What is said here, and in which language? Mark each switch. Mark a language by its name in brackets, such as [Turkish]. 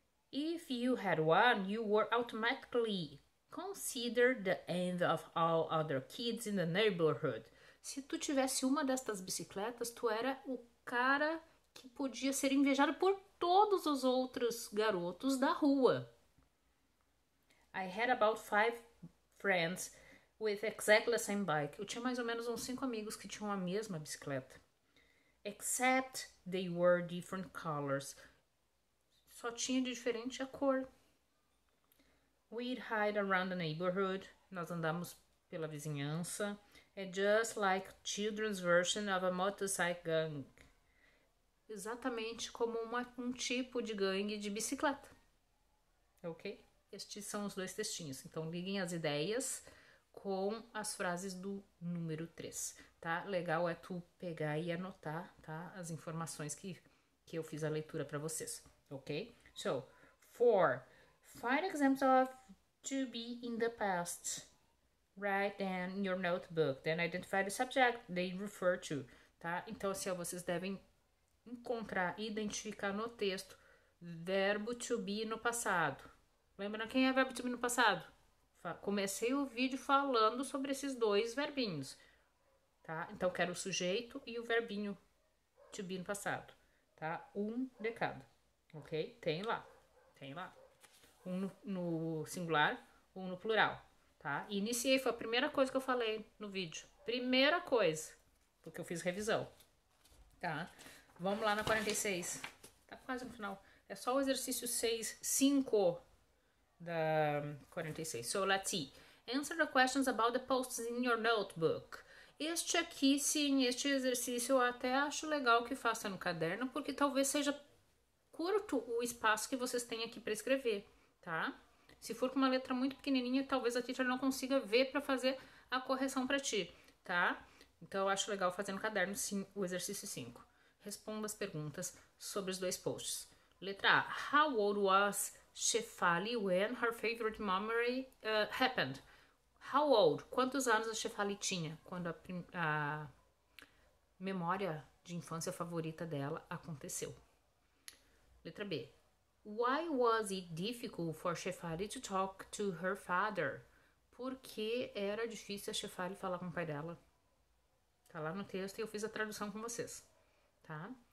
[English] If you had one, you were automatically considered the envy of all other kids in the neighborhood. [Portuguese] Se tu tivesse uma destas bicicletas, tu era o cara que podia ser invejado por todos os outros garotos da rua. [English] I had about five friends with exactly the same bike. [Portuguese] Eu tinha mais ou menos uns cinco amigos que tinham a mesma bicicleta. [English] Except they were different colors. [Portuguese] Só tinha diferente a cor. [English] We'd hide around the neighborhood. [Portuguese] Nós andamos pela vizinhança. [English] É just like children's version of a motorcycle gang. [Portuguese] Exatamente como um tipo de gangue de bicicleta. Ok? Estes são os dois textinhos. Então, liguem as ideias com as frases do número 3, tá? Legal é tu pegar e anotar, tá? As informações que eu fiz a leitura para vocês, ok? [English] So, four. Find examples of to be in the past. Write them in your notebook. Then identify the subject they refer to, tá? [Portuguese] Então, assim, vocês devem encontrar e identificar no texto verbo to be no passado. Lembra quem é verbo to be no passado? Comecei o vídeo falando sobre esses dois verbinhos, tá? Então, quero o sujeito e o verbinho to be no passado, tá? Um de cada, ok? Tem lá, tem lá. Um no singular, um no plural, tá? Iniciei, foi a primeira coisa que eu falei no vídeo. Primeira coisa, porque eu fiz revisão, tá? Vamos lá na 46. Tá quase no final. É só o exercício 6, 5. [English] Da 46. So let's see. Answer the questions about the posts in your notebook. [Portuguese] Este aqui, sim, este exercício eu até acho legal que faça no caderno, porque talvez seja curto o espaço que vocês têm aqui para escrever, tá? Se for com uma letra muito pequenininha, talvez a teacher não consiga ver para fazer a correção para ti, tá? Então eu acho legal fazer no caderno, sim, o exercício 5. Responda as perguntas sobre os dois posts. Letra A. [English] How old was Shefali when her favorite memory happened? How old? [Portuguese] Quantos anos a Shefali tinha quando a memória de infância favorita dela aconteceu? Letra B. [English] Why was it difficult for Shefali to talk to her father? [Portuguese] Por que era difícil a Shefali falar com o pai dela? Tá lá no texto e eu fiz a tradução com vocês, tá?